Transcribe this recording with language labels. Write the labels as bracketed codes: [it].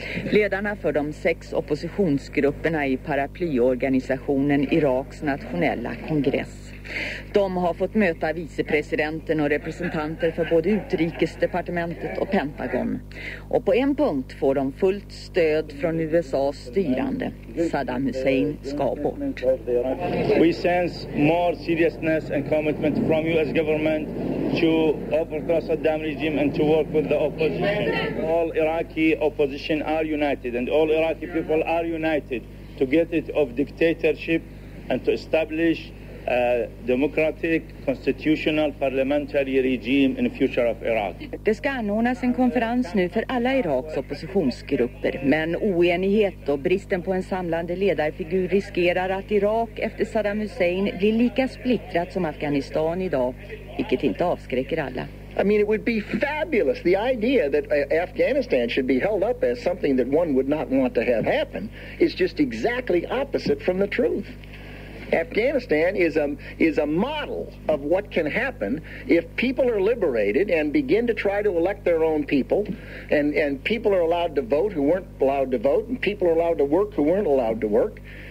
[sv] Ledarna för de 6 oppositionsgrupperna i paraplyorganisationen Iraks nationella kongress. De har fått möta vicepresidenten och representanter för både utrikesdepartementet och Pentagon. Och på en punkt får de fullt stöd från USAs styrande. Saddam Hussein ska bort. [en] We sense more seriousness and commitment from US government to overthrow Saddam regime and to work with the opposition. All Iraqi opposition are united and all Iraqi people are united to get it of dictatorship and to establish a democratic constitutional parliamentary regime in the future of Iraq. [sv] Det ska anordnas en konferens nu för alla Iraks oppositionsgrupper, men oenighet och bristen på en samlande ledarfigur riskerar att Irak efter Saddam Hussein blir lika splittrat som Afghanistan idag, vilket inte avskräcker alla. [en] I mean, it would be fabulous, the idea that Afghanistan should be held up as something that one would not want to have happen is just exactly opposite from the truth. Afghanistan is a model of what can happen if people are liberated and begin to try to elect their own people, and people are allowed to vote who weren't allowed to vote, and people are allowed to work who weren't allowed to work.